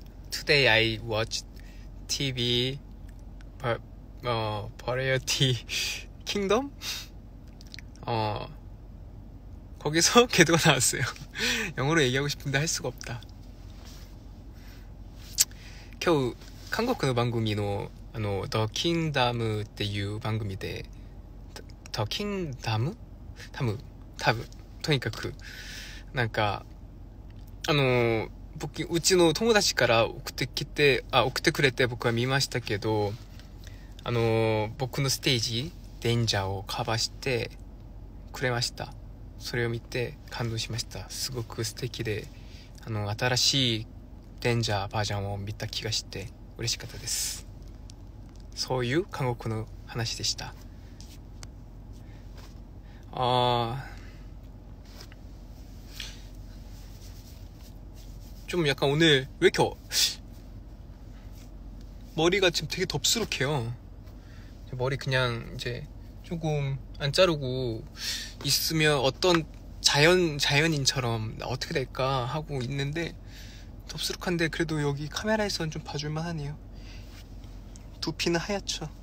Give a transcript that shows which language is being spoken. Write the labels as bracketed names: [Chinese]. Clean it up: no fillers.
[English] 'Today I watched TV Variety Kingdom.' [Korean] 거기서 걔도 나왔어요. 영어로 얘기하고 싶은데 할 수가 없다. 겨우 한국 방금이노 'The Kingdom' 때유 방금이데 'The Kingdom' 다무 다무. 그러니까 그 뭔가 [Japanese] 僕 うちの友達から送ってくれて僕は見ましたけど僕のステージデンジャーをカバーしてくれました。それを見て感動しました。すごく素敵で新しいデンジャーバージョンを見た気がして嬉しかったです。そういう韓国の話でした。 [Korean] ああ、좀 약간 오늘 왜 이렇게 머리가 지금 되게 덥수룩해요. 머리 그냥 이제 조금 안 자르고 있으면 어떤 자연인처럼 어떻게 될까 하고 있는데 덥수룩한데 그래도 여기 카메라에서는 좀 봐줄만 하네요. 두피는 하얗죠.